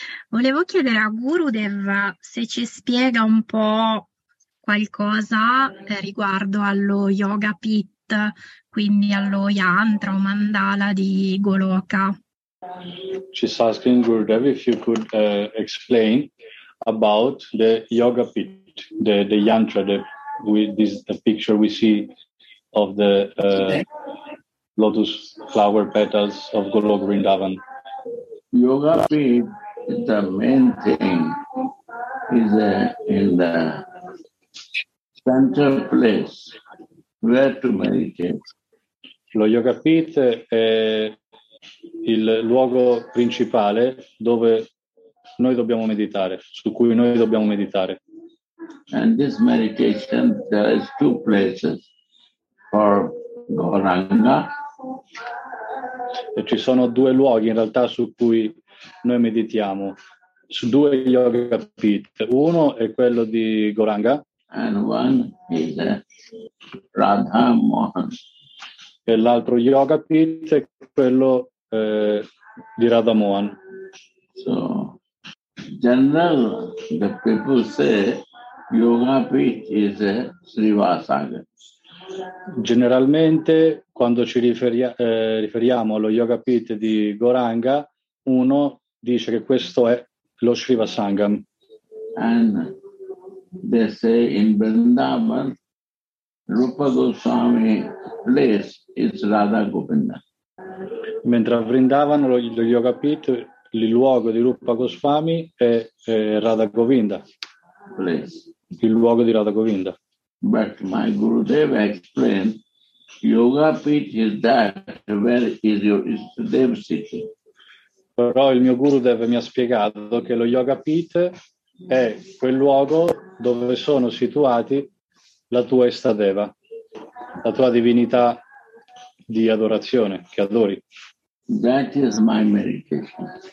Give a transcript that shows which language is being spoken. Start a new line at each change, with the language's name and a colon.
Italian: Volevo chiedere a Gurudev se ci spiega un po' qualcosa riguardo allo Yoga Pit, quindi allo Yantra o Mandala di Goloka.
English: She's asking Gurudev if you could explain about the yoga pit, the yantra, the picture we see of the lotus flower petals of Goloka Vrindavan. Yoga pit, the main thing is in the central place where to meditate.
Italian: Lo yoga pit è il luogo principale dove noi dobbiamo meditare, su cui noi dobbiamo meditare.
English: And this meditation, there is two places for Gauranga.
Italian: E ci sono due luoghi in realtà su cui noi meditiamo, su due yoga pit. Uno è quello di Gauranga.
English: And one is Radha Mohan.
Italian: E l'altro yoga pit è quello di Radha Mohan.
English: So general the people say yoga pit is a Srivasaga.
Italian: Generalmente quando ci riferiamo allo yoga pit di Gauranga, uno dice che questo è lo Srivasangam.
English: And they say in Vrindavan Rupa Goswami place is Radha Govinda.
Italian: Mentre a Vrindavan lo yoga pit, il luogo di Rupa Goswami è Radha Govinda.
English: Please.
Italian: Il luogo di Radha Govinda.
English: But my Gurudev explained, yoga pit is that where is your Ishtadev sitting.
Italian: Però il mio Gurudev mi ha spiegato che lo yoga pit è quel luogo dove sono situati la tua Ishtadeva, la tua divinità di adorazione, che adori.
English: That is my meditation.